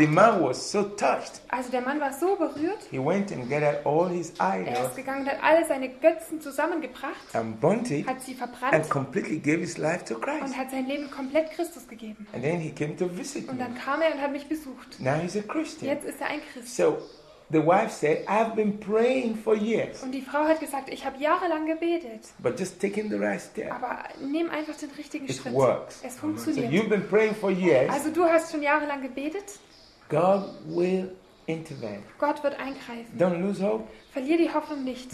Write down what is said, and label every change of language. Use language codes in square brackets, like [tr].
[de] hat? [en] The man was so touched. [de] Also der Mann war so berührt. [en] He went and got all his idols. [de] Er ist gegangen und hat alle seine Götzen zusammengebracht. [en] And burnt it. [de] Hat sie verbrannt. [en] And completely gave his life to Christ. [de] Und hat sein Leben komplett Christus gegeben. [en] And then he came to visit me. [de] Und dann kam er und hat mich besucht. [en] Now he's a Christian. [de] Jetzt ist er ein Christ. [en] So the wife said, I've been praying for years. [de] Und die Frau hat gesagt, ich habe jahrelang gebetet. [en] But just taking the right step. [de] Aber nimm einfach den richtigen [en] it [de] Schritt. [en] It works. [de] Es funktioniert. [en] So you've been praying for years. [de] Also du hast schon jahrelang gebetet. [en] God will intervene. [de] Gott wird eingreifen. [en] Don't lose hope. [de] Verlier die Hoffnung nicht.